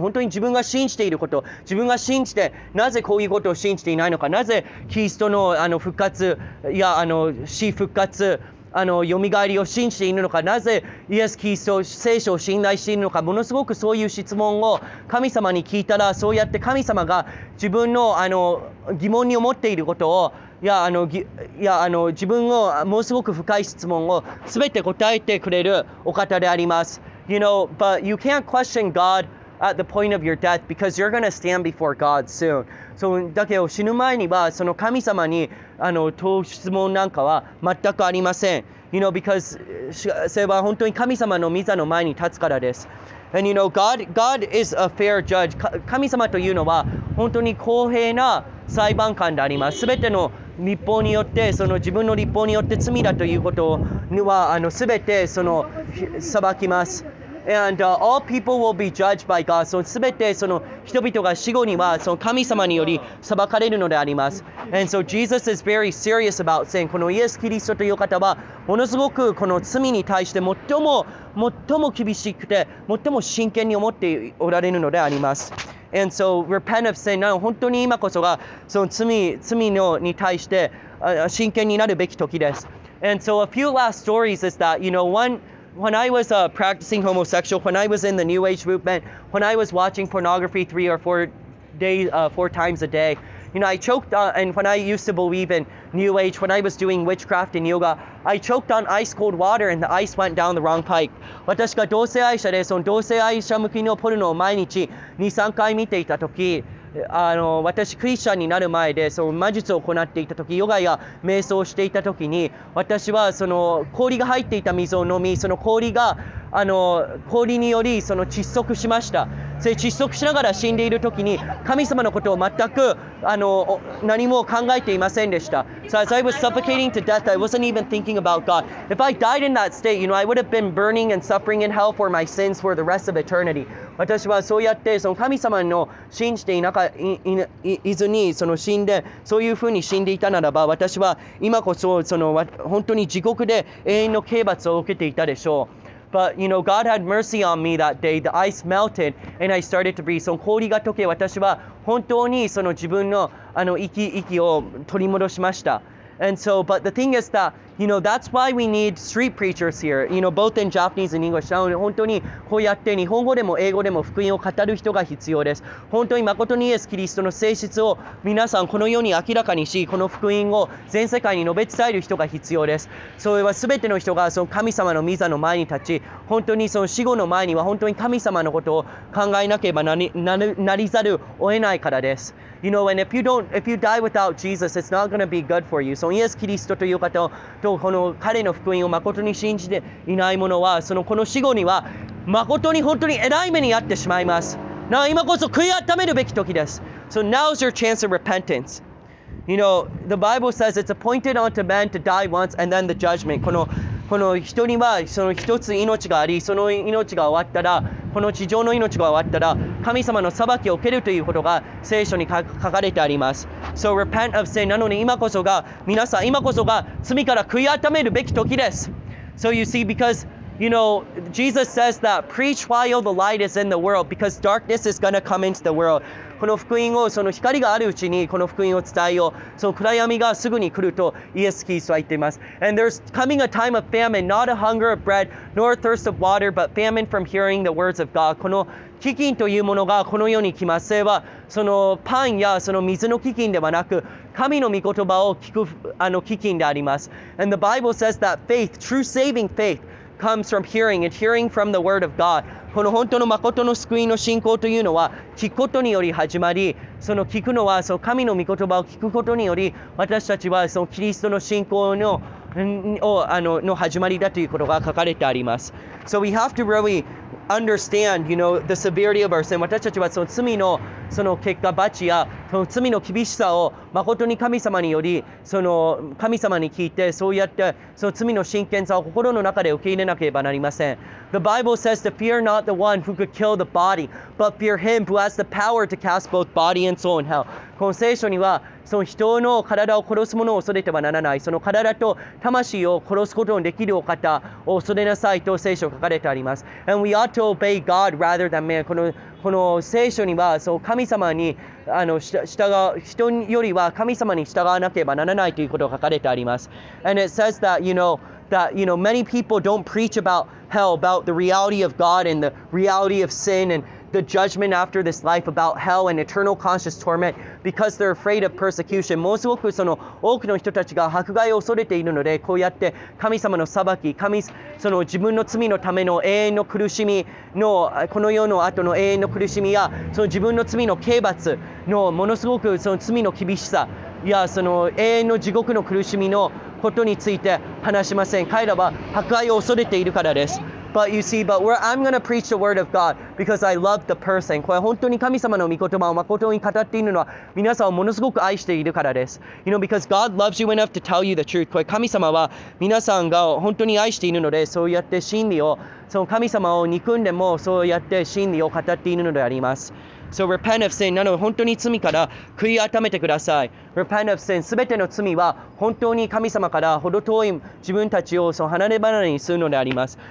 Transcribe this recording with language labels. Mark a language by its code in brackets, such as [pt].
[ja] 本当に自分が信じていること、自分が信じてなぜこういうことを信じていないのか、なぜキリスト の復活や死復活蘇りを信じているのか、なぜイエス・キリスト聖書を信頼しているのか、ものすごくそういう質問を神様に聞いたら、そうやって神様が自分 の, 疑問に思っていることを、いや自分のものすごく深い質問を全て答えてくれるお方であります。 [en] You know, but you can't question God at the point of your death because you're going to stand before God soon. [ja] So, だけど死ぬ前にはその神様にあの問う質問なんかは全くありません。 [en] You know, because [ja] それは本当に神様の御座の前に立つからです。 [en] And you know, God is a fair judge. [ja] 神様というのは本当に公平な裁判官であります。全ての律法によって、その自分の律法によって罪だということはあの全てその裁きます。 [en] And all people will be judged by God. [ja] So, 全てその人々が死後にはその神様により裁かれるのであります。 [en] And so Jesus is very serious about sin. [ja] このイエス・キリストという方はものすごくこの罪に対して最も厳しくて最も真剣に思っておられるのであります。 [en] And so repent of sin. [ja] 本当に今こそがその罪のに対して真剣になるべき時です。 [en] And so a few last stories is that, you know, When I was practicing homosexual, when I was in the New Age movement, when I was watching pornography four times a day, you know, I choked on, and when I used to believe in New Age, when I was doing witchcraft and yoga, I choked on ice cold water and the ice went down the wrong pipe. [ja] 私が同性愛者で、その同性愛者向きのポルノを毎日 2,3 回見ていた時、あの私クリスチャンになる前でその魔術を行っていた時ヨガや瞑想をしていた時に私はその氷が入っていた水を飲みその氷があの氷によりその窒息しました。それ窒息しながら死んでいる時に神様のことを全くあの何も考えていませんでした。 [en] So as I was suffocating to death, I wasn't even thinking about God. If I died in that state, you know, I would have been burning and suffering in hell for my sins for the rest of eternity. [ja] 私はそうやってその神様の信じていなかいずにその死んでそういうふうに死んでいたならば私は今こそその本当に地獄で永遠の刑罰を受けていたでしょう。 [en] But you know, God had mercy on me that day. The ice melted, and I started to breathe. [ja] その氷が溶け、私は本当にその自分のあの息を取り戻しました。 [en] And so, but the thing is that, you know, that's why we need street preachers here. You know, both in Japanese and English. [ja] 本当にこうやって日本語でも英語でも福音を語る人が必要です。本当に誠にイエス・キリストの性質を皆さんこの世に明らかにし、この福音を全世界に述べ伝える人が必要です。それは全ての人がその神様の御座の前に立ち、本当にその死後の前には本当に神様のことを考えなければなりざるを得ないからです。 [en] You know, and if you die without Jesus, it's not going to be good for you. [ja] そのイエス・キリストという方とこの彼の福音を誠に信じていない者は、そのこの死後には誠に本当に偉い目に遭ってしまいます。なあ今こそ悔い改めるべき時です。 [en] So now's your chance of repentance. You know, the Bible says it's appointed unto man to die once and then the judgment. [ja] この人にはその一つ命があり、その命が終わったら、この地上の命が終わったら、神様の裁きを受けるということが聖書に書かれてあります。 [en] So repent of sin. [ja] なのに今こそが、皆さん今こそが罪から悔い改めるべき時です。 [en] So you see, because, you know, Jesus says that preach while the light is in the world, because darkness is going to come into the world. [ja] この福音を、その光があるうちにこの福音を伝えよう。その暗闇がすぐに来るとイエス・キリストは言っています。 [en] And there's coming a time of famine, not a hunger of bread, nor a thirst of water, but famine from hearing the words of God. [ja] この飢饉というものがこの世に来ます。それはそのパンやその水の飢饉ではなく、神の御言葉を聞くあの飢饉であります。 [en] And the Bible says that faith, true saving faith,comes from hearing and hearing from the word of God. [ja] この本当の誠の救いの信仰というのは聞くことにより始まり、その聞くのはその神の御言葉を聞くことにより、私たちはそのキリストの信仰の始まりだということが書かれてあります。 [en] So we have to really understand, you know, the severity of our sin. [ja] 私たちはその罪のその結果罰やその罪の厳しさを誠に神様によりその神様に聞いてそうやってその罪の真剣さを心の中で受け入れなければなりません。 [en] The Bible says to fear not the one who could kill the body, but fear him who has the power to cast both body and soul in hell. [ja] この聖書にはその人の体を殺す者を恐れてはならない、その体と魂を殺すことのできるお方を恐れなさいと聖書書かれてあります。 [en] And we ought to obey God rather than man. [ja] この聖書にはそう神様にあの従う人よりは神様に従わなければならないということが書かれてあります。 [en] And it says that, you know, that, you know, many people don't preach about hell, about the reality of God and the reality of sin and the judgment after this life, about hell and eternal conscious torment, because they're afraid of persecution. [ja] ものすごくその多くの人たちが迫害を恐れているので、こうやって神様の裁き、神その自分の罪のための永遠の苦しみの、この世の後の永遠の苦しみや、その自分の罪の刑罰のものすごくその罪の厳しさ、いやその永遠の地獄の苦しみのことについて話しません。彼らは迫害を恐れているからです。 [en] But you see, but where I'm going to preach the word of God because I love the person. [ja] これ本当に神様の御言葉を誠に語っているのは皆さんをものすごく愛しているからです。 [en] You know, because God loves you enough to tell you the truth. [ja] これ神様は皆さんが本当に愛しているので、そうやって真理を、その神様を憎んでもそうやって真理を語っているのであります。 [en] So repent of sin. [ja] なので本当に罪から悔い改めてください。 [en] Repent of sin. [ja] 全ての罪は本当に神様からほど遠い自分たちをその離れ離れにするのであります。